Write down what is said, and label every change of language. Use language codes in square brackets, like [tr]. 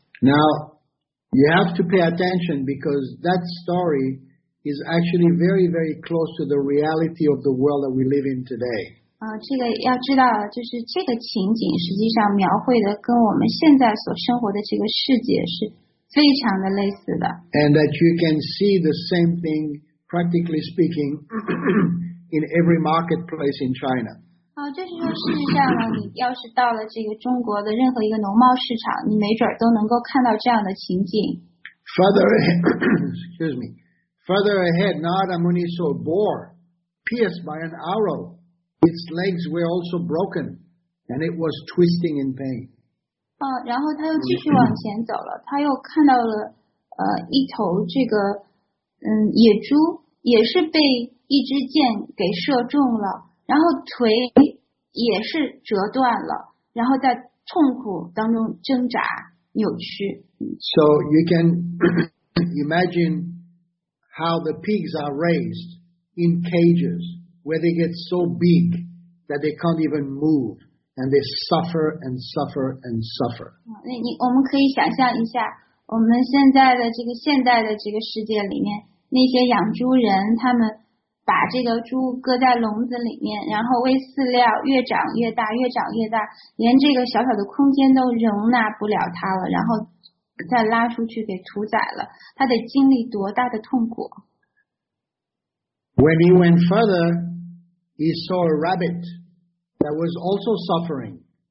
[en] Now you have to pay attention because that story is actually very very close to the reality of the world that we live in today [zh] 这个要知道就是这个情景实际上描绘的跟我们现在所生活的这个世界是非常的类似的。 [en] And that you can see the same thingPractically speaking, in every marketplace in China. [zh] 好，就是说，事实上呢，你要是到了这个中国的任何一个农贸市场，你没准都能够看到这样的情景。 [en] Further ahead, excuse me. Further ahead, Narada Muni saw a boar pierced by an arrow. Its legs were also broken, and it was twisting in pain. [zh] 然后他又继续往前走了，他又看到了一头这个。野猪也是被一支箭给射中了，然后腿也是折断了，然后在痛苦当中挣扎扭曲。 [en] So you can imagine how the pigs are raised in cages where they get so big that they can't even move and they suffer and suffer and suffer. [zh] 我们可以想象一下我们现在的这个现代的这个世界里面那些养猪人，他们把这个猪搁在笼子里面，然后喂饲料，越长越大，越长越大，连这个小小的空间都容纳不了它了，然后再拉出去给屠宰了，他得经历多大的痛苦。 [en] When he went further, he saw a rabbit that was also suffering.